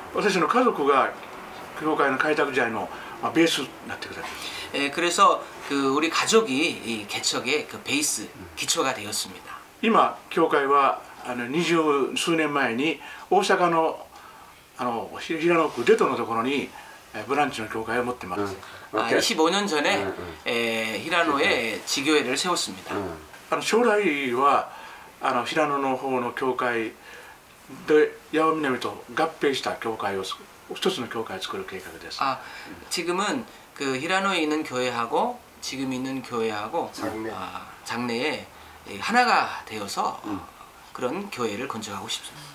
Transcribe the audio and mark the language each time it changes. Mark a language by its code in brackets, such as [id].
[ja] 私の家族が教会の開拓時代のベースになってくれた。 [ko] 그래서그우리가족이이개척의그베이스기초가되었습니다。 [ja] 今教会は20数年前に大阪の平野区デトのところにブランチの教会を持ってます。 [ko] 25년전에平野에지교회를세웠습니다。 [ja] 将来は平野の方の教会で八尾南と合併した教会を一つの教会を作る計画です。 [ko] 아지금은그히라노에있는교회하고지금있는교회하고장래에하나가되어서그런교회를건축하고싶습니다。